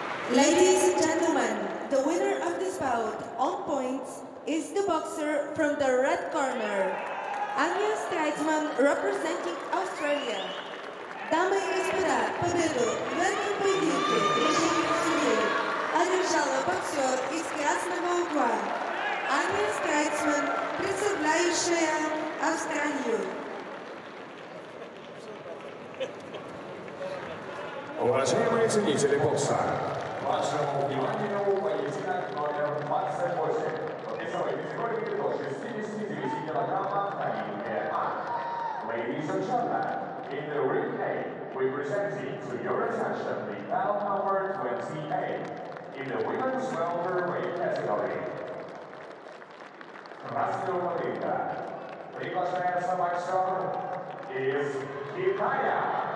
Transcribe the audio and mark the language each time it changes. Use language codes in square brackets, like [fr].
[en] Ladies and gentlemen, the winner of this bout on points is the boxer from the red corner, Anya Streitman, representing Australia. [ru] Дамы и господа, победу в этом поединке решили судьи. Одержала боксер из красного угла, Анья Стрейцман, представляющая Австралию. Уважаемые ценители бокса, вашему вниманию поединок номер 28. Весовой категории до 69 килограмма на линии А. [en] Ladies and gentlemen, in the ring A, we present to your attention the bout number 28 in the women's welterweight category. [ru] Красноводинка. Приглашается боксер из Китая.